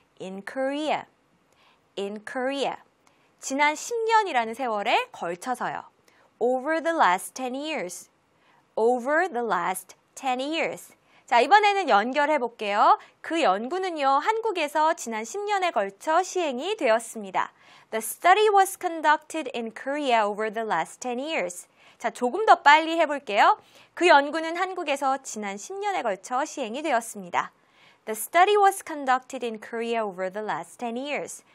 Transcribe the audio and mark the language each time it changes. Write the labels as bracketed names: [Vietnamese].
[English] In Korea. In Korea. [Korean] 지난 10년이라는 세월에 걸쳐서요. [English] Over the last 10 years. Over the last 10 years. [Korean] 자, 이번에는 연결해 볼게요. 그 연구는요, 한국에서 지난 10년에 걸쳐 시행이 되었습니다. [English] The study was conducted in Korea over the last 10 years. [Korean] 자, 조금 더 빨리 해 볼게요. 그 연구는 한국에서 지난 10년에 걸쳐 시행이 되었습니다. [English] The study was conducted in Korea over the last 10 years.